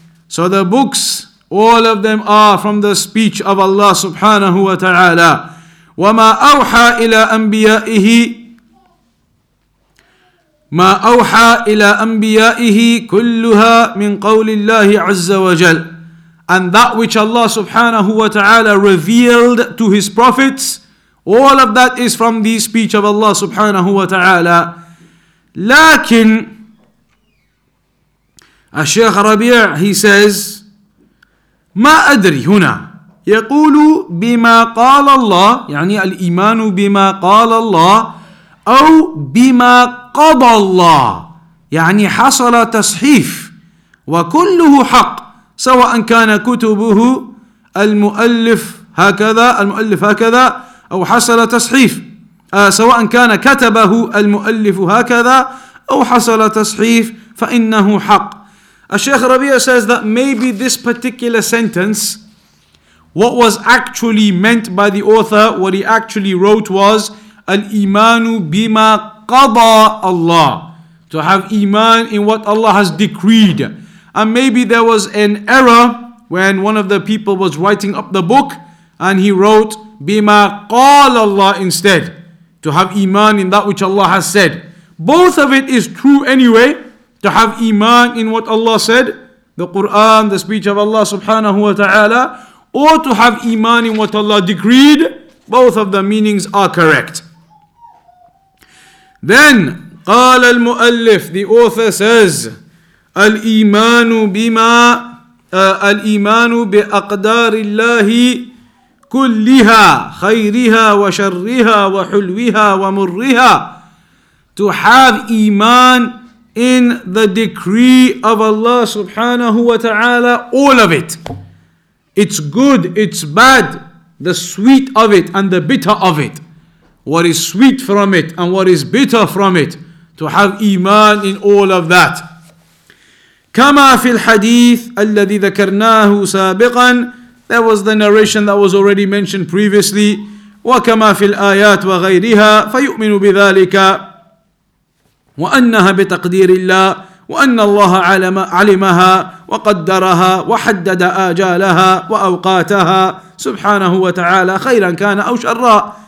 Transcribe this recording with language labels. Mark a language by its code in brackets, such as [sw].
[en] So the books, all of them are from the speech of Allah سبحانه وتعالى. [ar] وما أوحى إلى أنبيائه, ما أوحى إلى أنبيائه كلها من قول الله عز وجل. [en] And that which Allah subhanahu wa ta'ala revealed to his prophets, all of that is from the speech of Allah subhanahu wa ta'ala. [ar] Lakin, [en] Shaykh Rabee, he says, [ar] ما أدري هنا يقول بما قال الله, يعني الإيمان بما قال الله, أو بما قضى الله, يعني حصل تصحيف, وكله حق, سواء كان كتبه المؤلف هكذا أو حصل تصحيف سواء كان كتبه المؤلف هكذا أو حصل تصحيف فإنه حق. [en] الشيخ ربيع says that maybe this particular sentence, what was actually meant by the author, what he actually wrote was [ar] الإيمان بما قضى الله, [en] to have iman in what Allah has decreed. And maybe there was an error when one of the people was writing up the book and he wrote bima qala Allah instead, to have iman in that which Allah has said. Both of it is true anyway, to have iman in what Allah said, the Quran, the speech of Allah subhanahu wa ta'ala, or to have iman in what Allah decreed. Both of the meanings are correct. [ar] Then قال المؤلف, [en] the author says [ar] الإيمان بما الإيمان بأقدار الله كلها خيرها وشرها وحلوها ومرها. [en] To have iman in the decree of Allah subhanahu wa ta'ala, all of it, it's good, it's bad, the sweet of it and the bitter of it, what is sweet from it and what is bitter from it, to have iman in all of that. [ar] كما في الحديث الذي ذكرناه سابقا, [en] there was the narration that was already mentioned previously, [ar] وكما في الآيات وغيرها فيؤمن بذلك وأنها بتقدير الله وأن الله علمها وقدرها وحدد آجالها وأوقاتها سبحانه وتعالى خيرا كان أو شرا.